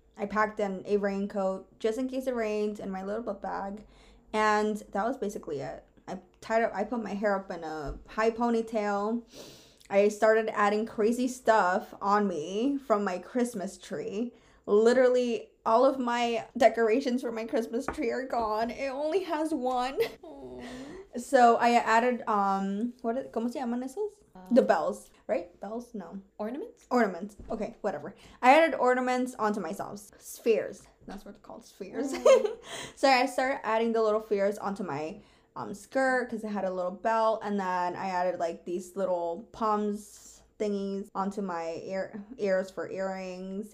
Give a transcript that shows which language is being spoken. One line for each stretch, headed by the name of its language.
English: I packed in a raincoat just in case it rained in my little book bag, and that was basically it. I put my hair up in a high ponytail. I started adding crazy stuff on me from my Christmas tree. Literally all of my decorations for my Christmas tree are gone. It only has one. So I added
Spanish: ¿cómo se llaman esos?
English: The bells, right? Bells? No. Ornaments? Ornaments. Okay, whatever. I added ornaments onto myself. Spheres. That's what it's called, spheres. So I started adding the little spheres onto my skirt because it had a little bell. And then I added like these little palms thingies onto my ears for earrings.